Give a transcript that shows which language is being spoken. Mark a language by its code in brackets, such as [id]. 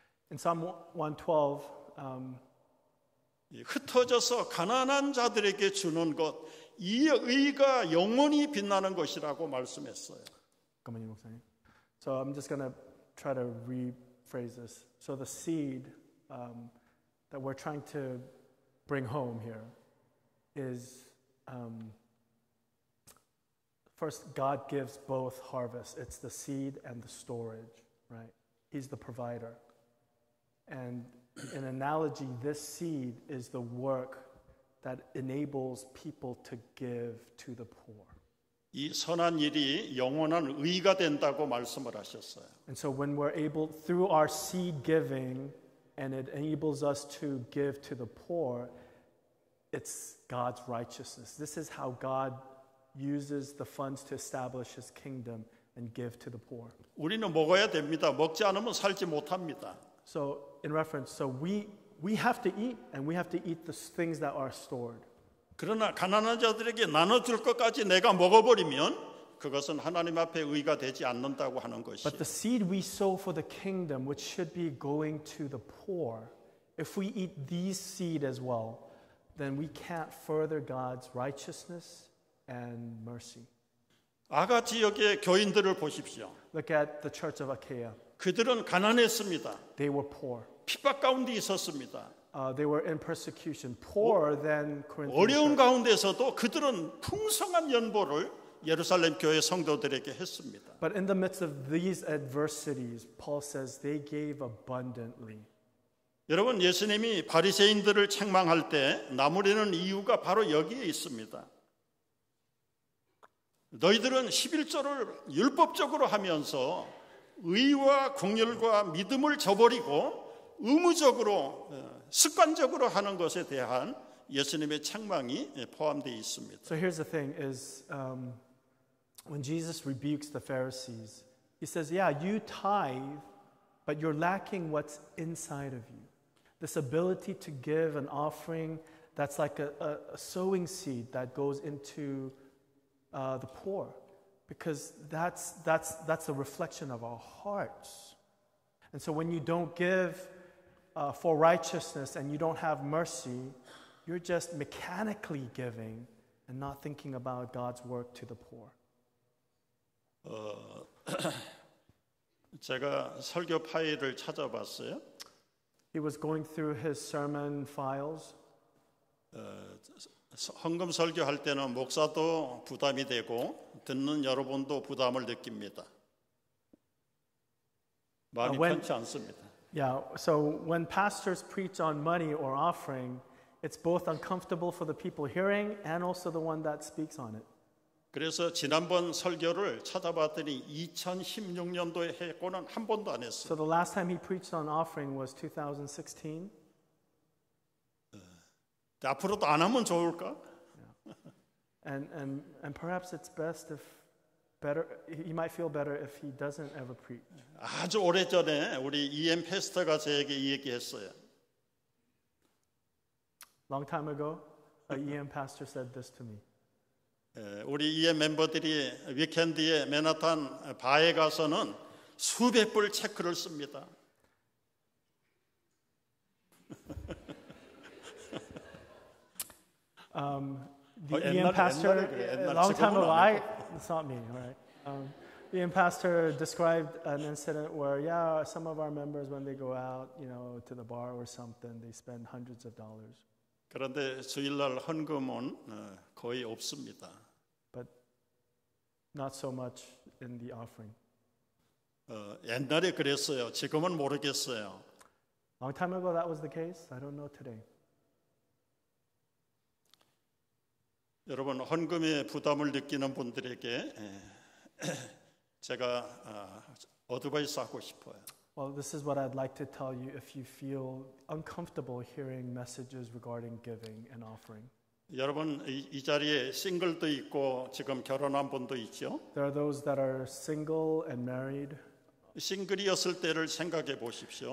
[en] In Psalm 112, [ko] 흩어져서 가난한 자들에게 주는 것, 이 의가 영원히 빛나는 것이라고 말씀했어요. 잠깐만요, 목사님. [en] So I'm just going to try to rephrase this. So the seed that we're trying to bring home here is First, God gives both harvests. It's the seed and the storage, right? He's the provider. And in analogy, this seed is the work that enables people to give to the poor. [ko] 이 선한 일이 영원한 의가 된다고 말씀을 하셨어요. [en] And so when we're able, through our seed giving, and it enables us to give to the poor, it's God's righteousness. This is how God uses the funds to establish his kingdom and give to the poor. [ko] 우리는 먹어야 됩니다. 먹지 않으면 살지 못합니다. [en] So in reference, so we have to eat and we have to eat the things that are stored. [ko] 그러나 가난한 자들에게 나눠줄 것까지 내가 먹어버리면 그것은 하나님 앞에 의가 되지 않는다고 하는 것이. [en] But the seed we sow for the kingdom, which should be going to the poor, if we eat these seed as well, then we can't further God's righteousness. And mercy. [ko] 아가 지역의 교인들을 보십시오. [en] Look at the church of Achaia. [ko] 그들은 가난했습니다. [en] They were poor. [ko] 핍박 가운데 있었습니다. [en] They were in persecution, poorer than Corinthians. [ko] 어려운 가운데서도 그들은 풍성한 연보를 예루살렘 교회 성도들에게 했습니다. [en] But in the midst of these adversities, Paul says they gave abundantly. [ko] 여러분, 예수님이 바리새인들을 책망할 때 나무리는 이유가 바로 여기에 있습니다. 너희들은 십일조를 율법적으로 하면서 의와 공률과 믿음을 저버리고 의무적으로 습관적으로 하는 것에 대한 예수님의 책망이 포함되어 있습니다. [en] So here's the thing is when Jesus rebukes the Pharisees, he says, yeah, you tithe, but you're lacking what's inside of you. This ability to give an offering that's like a sowing seed that goes into the poor, because that's a reflection of our hearts. And so when you don't give for righteousness and you don't have mercy, you're just mechanically giving and not thinking about God's work to the poor. [ko] 제가 설교 파일을 찾아봤어요. [en] He was going through his sermon files. [ko] 헌금 설교할 때는 목사도 부담이 되고 듣는 여러분도 부담을 느낍니다. 마음이 편치 않습니다. [en] Yeah, so when pastors preach on money or offering, it's both uncomfortable for the people hearing and also the one that speaks on it. [ko] 그래서 지난번 설교를 찾아봤더니 2016년도에 했고는 한 번도 안 했어요. [en] So the last time he preached on offering was 2016. [ko] 앞으로도 안 하면 좋을까? [en] And perhaps it's best if better he might feel better if he doesn't ever preach. [ko] 아주 오래전에 우리 EM 패스터가 저에게 이 얘기했어요. [en] Long time ago, an EM pastor said this to me. [ko] 우리 EM 멤버들이 위켄드에 맨하탄 바에 가서는 수백 불 체크를 씁니다. [en] The EM [ko] 옛날, [en] pastor, [ko] 그래. [en] long time ago, it's not me, right? The EM pastor described an incident where, yeah, some of our members, when they go out, you know, to the bar or something, they spend hundreds of dollars. [ko] 그런데 주일날 헌금은 거의 없습니다. [en] Not so much in the offering. [ko] 옛날에 그랬어요. 지금은 모르겠어요. [en] Long time ago, that was the case. I don't know today. [ko] 여러분, 헌금의 부담을 느끼는 분들에게 제가 어드바이스 하고 싶어요. [en] Well, this is what I'd like to tell you if you feel uncomfortable hearing messages regarding giving and offering. [ko] 여러분 이 자리에 싱글도 있고 지금 결혼한 분도 있죠. [en] There are those that are single and married. [ko] 싱글이었을 때를 생각해 보십시오.